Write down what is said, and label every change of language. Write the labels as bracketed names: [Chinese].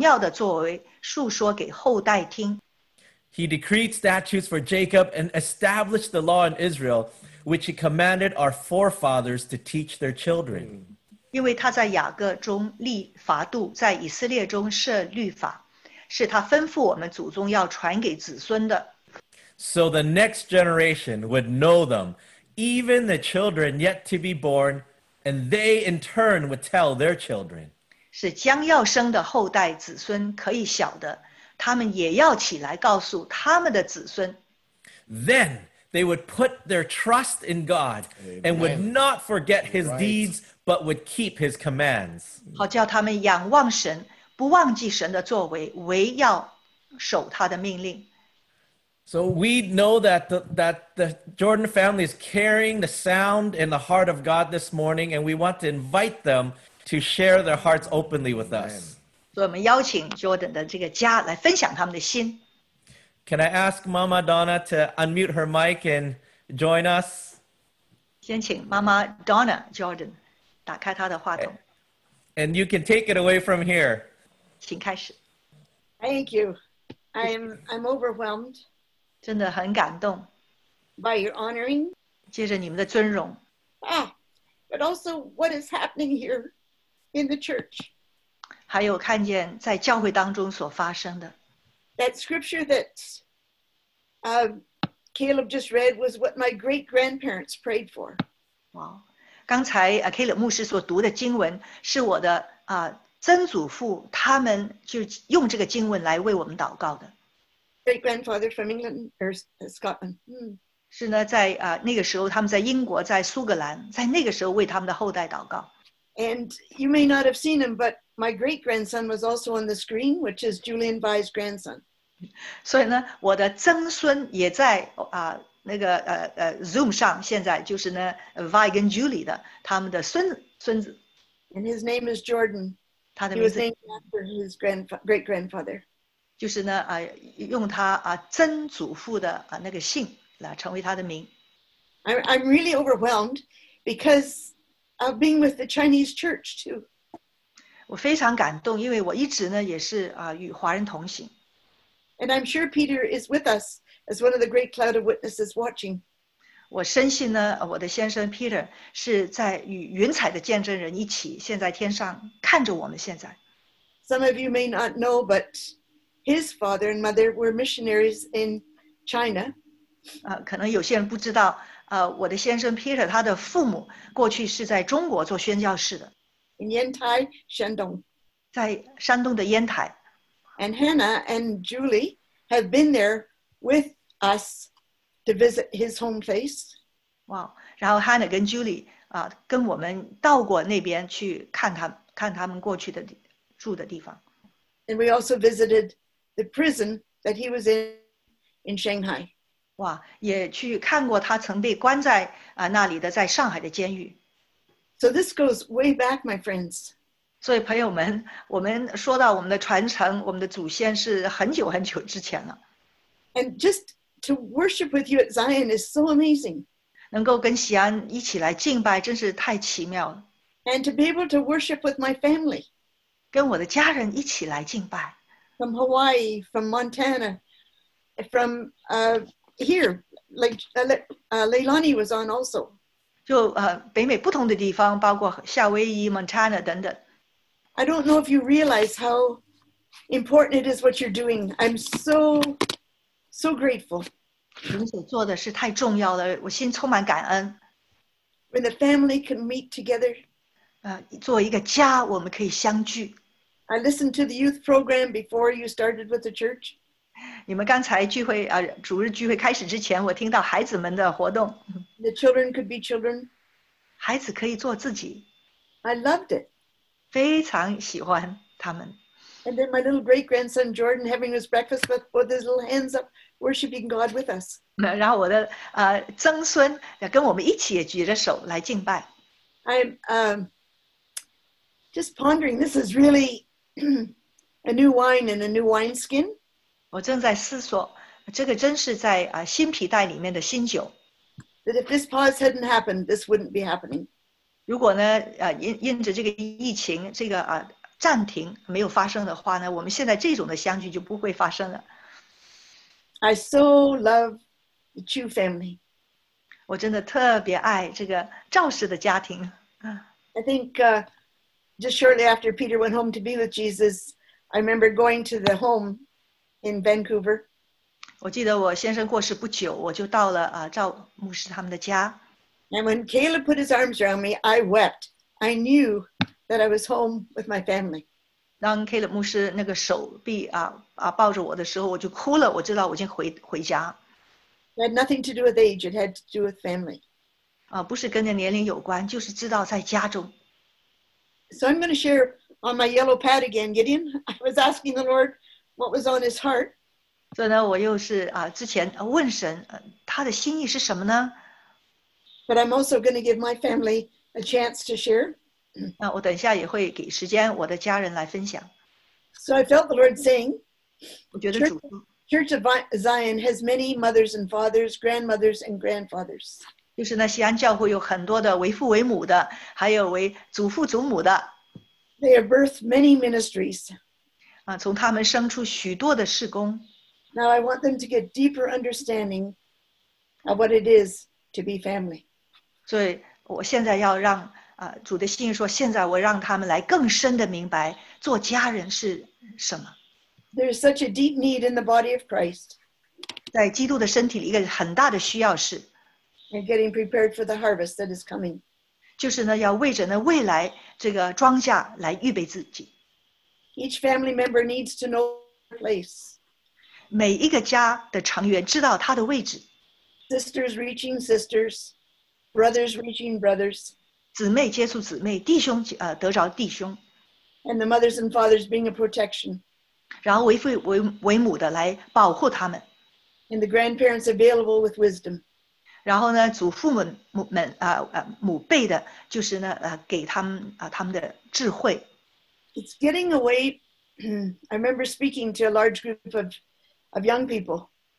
[Chinese] 我们不将这些事向他们的子孙隐瞒，要将耶和华的美德和他的能力，并他奇妙的作为述说给后代听。 [English] He decreed statutes for Jacob and established the law in Israel, which he commanded our forefathers to teach their children. [Chinese] 因为他在雅各中立法度，在以色列中设律法，是他吩咐我们祖宗要传给子孙的。 [English] So the next generation would know them, even the children yet to be born, and they in turn would tell their children. [Chinese] 是将要生的后代子孙可以晓得。 [English] Then they would put their trust in God and would not forget his deeds, but would keep his commands. [Chinese] 好叫他们仰望神，不忘记神的作为，唯要守他的命令。 [English] So we know that the Jordan family is carrying the sound in the heart of God this morning, and we want to invite them to share their hearts openly with us. [Chinese] 所以我们邀请 Jordan 的这个家来分享他们的心。 [English] Can I ask Mama Donna to unmute her mic and join us? [Chinese] 先请 Mama Donna Jordan 打开她的话筒。 [English] And you can take it away from here. [Chinese] 请开始。 [English] Thank you. I'm overwhelmed. [Chinese] 真的很感动。 [English] By your honoring. [Chinese] 接着你们的尊荣。 [English] Ah, but also what is happening here in the church. [Chinese] 还有看见在教会当中所发生的。 [English] That scripture that Caleb just read was what my great-grandparents prayed for. Wow. [Chinese] 刚才Caleb牧师所读的经文是我的曾祖父他们就用这个经文来为我们祷告的。 [English] Great grandfather from England or Scotland. [Chinese] 是呢，在那个时候，他们在英国，在苏格兰，在那个时候为他们的后代祷告。 [English] And you may not have seen him, but my great grandson was also on the screen, which is Julian Bai's grandson. [Chinese] 所以呢，我的曾孙也在那个Zoom 上，现在就是呢 ，Bai 跟 Julie 的他们的孙子。 [English] And his name is Jordan. [Chinese] 他的名字。 [English] He was named after his great grandfather. [Chinese] 就是呢，用他曾祖父的那个姓来成为他的名。 [English] I'm really overwhelmed because of being with the Chinese church too. [Chinese] 我非常感动，因为我一直呢也是与华人同行。 [English] And I'm sure Peter is with us as one of the great cloud of witnesses watching. [Chinese] 我深信呢，我的先生 Peter 是在与云彩的见证人一起，现在天上看着我们现在。 [English] Some of you may not know, but His father and mother were missionaries in China. [Chinese] 可能有些人不知道，我的先生 Peter 他的父母过去是在中国做宣教士的。 [English] In Yantai, Shandong. [Chinese] 在山东的烟台。 [English] And Hannah and Julie have been there with us to visit his home place. [Chinese] Wow. 然后 Hannah 跟 Julie 跟我们到过那边去看他们过去的住的地方。 [English] And we also visited. The prison that he was in Shanghai. [Chinese] 哇，也去看过他曾被关在那里的在上海的监狱。 [English] So this goes way back, my friends. [Chinese] 所以朋友们，我们说到我们的传承，我们的祖先是很久很久之前了。 [English] And just to worship with you at Zion is so amazing. [Chinese] 能够跟锡安一起来敬拜，真是太奇妙了。 [English] And to be able to worship with my family. [Chinese] 跟我的家人一起来敬拜。 [English] From Hawaii, from Montana, from here, Leilani was on also. [Chinese] 就北美不同的地方，包括夏威夷、Montana 等等。 [English] I don't know if you realize how important it is what you're doing. I'm so grateful. [Chinese] 你们所做的是太重要了，我心充满感恩。 [English] When the family can meet together. [Chinese] 作为一个家，我们可以相聚。 [English] I listened to the youth program before you started with the church. [Chinese] 你们刚才聚会主日聚会开始之前，我听到孩子们的活动。 [English] The children could be children. [Chinese] 孩子可以做自己。 [English] I loved it. [Chinese] 非常喜欢他们。 [English] And then my little great grandson Jordan having his breakfast with his little hands up, worshiping God with us. [Chinese] 然后我的曾孙跟我们一起也举着手来敬拜。 [English] I'm just pondering. This is really a new wine and a new wineskin. [Chinese] 我正在思索，这个真是在新皮袋里面的新酒。 [English] That if this pause hadn't happened, this wouldn't be happening. [Chinese] 如果呢，因着这个疫情，这个暂停没有发生的话呢，我们现在这种的相聚就不会发生了。 [English] I so love the Chu family. [Chinese] 我真的特别爱这个赵氏的家庭。 [English] I think. Just shortly after Peter went home to be with Jesus, I remember going to the home in Vancouver. [Chinese] 我记得我先生过世不久，我就到了赵牧师他们的家。 [English] And when Caleb put his arms around me, I wept. I knew that I was home with my family. [Chinese] 当 Caleb 牧师那个手臂抱着我的时候，我就哭了。我知道我已经回家。 [English] It had nothing to do with age, it had to do with family. [Chinese] 不是跟着年龄有关, 就是知道在家中。 [English] So I'm going to share on my yellow pad again, Gideon. I was asking the Lord what was on his heart. [Chinese] 所以呢,我又是之前问神,他的心意是什么呢? [English] But I'm also going to give my family a chance to share. [Chinese] 那我等一下也会给时间我的家人来分享。 [English] So I felt the Lord saying, [Chinese] 我觉得主说, [English] Church of Zion has many mothers and fathers, grandmothers and grandfathers. [Chinese] 就是那西安教会有很多的为父为母的, 还有为祖父祖母的。 [English] They have birthed many ministries. [Chinese] 从他们生出许多的事工。 [English] Now I want them to get deeper understanding of what it is to be family. [Chinese] 所以我现在要让, 主的心意说, 现在我让他们来更深地明白做家人是什么。 [English] There is such a deep need in the body of Christ. [Chinese] 在基督的身体里一个很大的需要是, [English] and getting prepared for the harvest that is coming. [Chinese] 就是呢,要为着呢,未来这个庄稼来预备自己。 [English] Each family member needs to know their place. [Chinese] 每一个家的成员知道他的位置。 [English] Sisters reaching sisters, brothers reaching brothers. [Chinese] 姊妹接触姊妹,弟兄得着弟兄。 [English] And the mothers and fathers being a protection. [Chinese] 然后为父为母的来保护他们。 [English] And the grandparents available with wisdom. [Chinese] 然后呢,祖父母们,母辈的,就是呢,给他们的智慧。 [English] It's getting away, I remember speaking to a large group of young people.